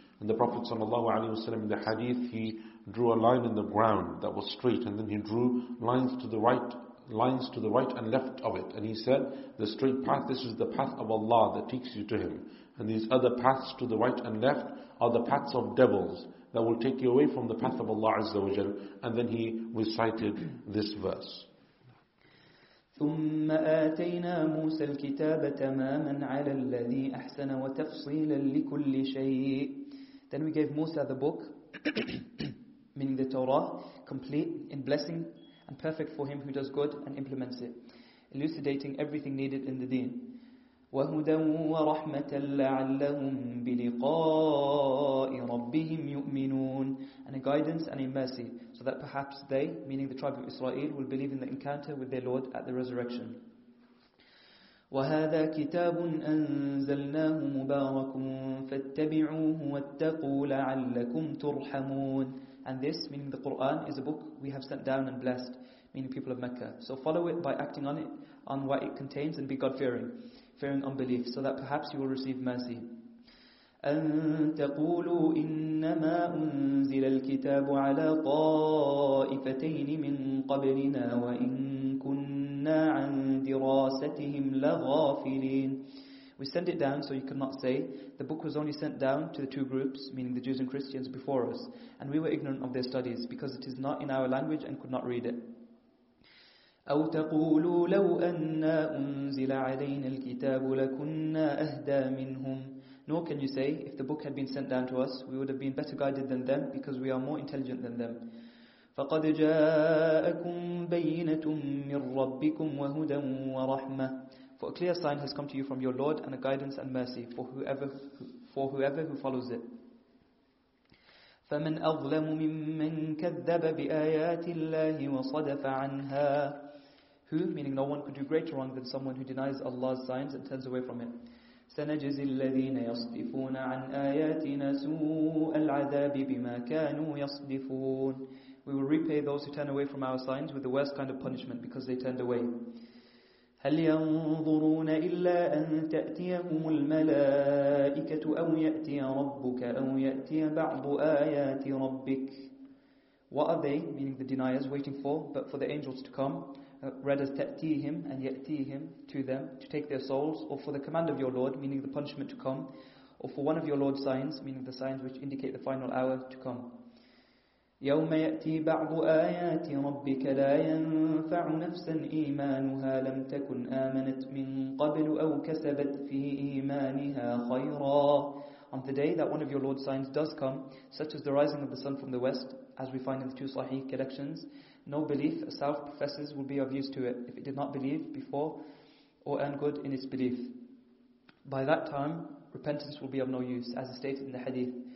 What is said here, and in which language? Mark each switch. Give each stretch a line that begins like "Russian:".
English: And the Prophet ﷺ in the hadith, he drew a line in the ground that was straight, and then he drew lines to the right, lines to the right and left of it. And he said, the straight path, this is the path of Allah that takes you to Him. And these other paths to the right and left are the paths of devils that will take you away from the path of Allah Azza wa Jal. And then he recited this verse.
Arabic: ثم آتينا موسى الكتاب تماما على الذي أحسن وتفصيلا لكل شيء.
English: Then we gave Musa the book, meaning the Torah, complete in blessing and perfect for him who does good and implements it, elucidating everything needed in the deen.
Arabic: وهدى ورحمة لعلهم بلقاء ربهم يؤمنون.
English: And a guidance and a mercy, so that perhaps they, meaning the tribe of Israel, will believe in the encounter with their Lord at the resurrection.
Arabic: وهذا كتاب أنزلناه مبارك فاتبعوه واتقوا لعلكم ترحمون.
English: And this, meaning the Quran, is a book we have sent down and blessed, meaning people of Mecca. So follow it by acting on it, on what it contains, and be God-fearing, fearing unbelief, so that perhaps you will receive mercy.
Arabic: أن تقولوا إنما أنزل الكتاب على طائفتين من قبلنا وإن كنا عن دراستهم لغافلين.
English: We sent it down, so you could not say, the book was only sent down to the two groups, meaning the Jews and Christians, before us, and we were ignorant of their studies, because it is not in our language and could not read it.
Arabic: أَوْ تَقُولُوا لَوْ أَنَّا أُنزِلَ عَلَيْنَا الْكِتَابُ لَكُنَّا أَهْدَى مِنْهُمْ.
English: Nor can you say, if the book had been sent down to us, we would have been better guided than them, because we are more intelligent than them.
Arabic: فَقَدْ جَاءَكُمْ بَيِّنَةٌ مِّن رَّبِّكُمْ وَهُدًى وَرَحْمَةٌ.
English: For a clear sign has come to you from your Lord, and a guidance and mercy for whoever who follows it.
Arabic: فَمَنْ أَظْلَمُ مِمَّنْ كَذَّبَ بِآيَاتِ اللَّهِ وَصَدَفَ عَنْهَا.
English: Who, meaning no one, could do greater wrong than someone who denies Allah's signs and turns away from it.
Arabic: سَنَجْزِي الَّذِينَ يَصْدِفُونَ عَنْ آيَاتِنَا سُوءَ الْعَذَابِ بِمَا كَانُوا يَصْدِفُونَ.
English: We will repay those who turn away from our signs with the worst kind of punishment because they turned away.
Arabic: هل ينظرون إلا أن تأتيهم الملائكة أو يأتي ربك أو يأتي بعض آيات ربك.
English: What are they, meaning the deniers, waiting for, but for the angels to come, rather
Arabic: تأتيهم
English: and
Arabic: يأتيهم
English: to them, to take their souls, or for the command of your Lord, meaning the punishment to come, or for one of your Lord's signs, meaning the signs which indicate the final hour to come.
Arabic: يوم يأتي بعض آيات ربك لا ينفع نفسا إيمانها لم تكن آمنت من قبل أو كسبت في إيمانها خيرا.
English: On the day that one of your Lord's signs does come, such as the rising of the sun from the west, as we find in the two Sahih collections, no belief a self professes will be of use to it if it did not believe before or earn good in its belief. By that time, repentance will be of no use, as is stated in the hadith.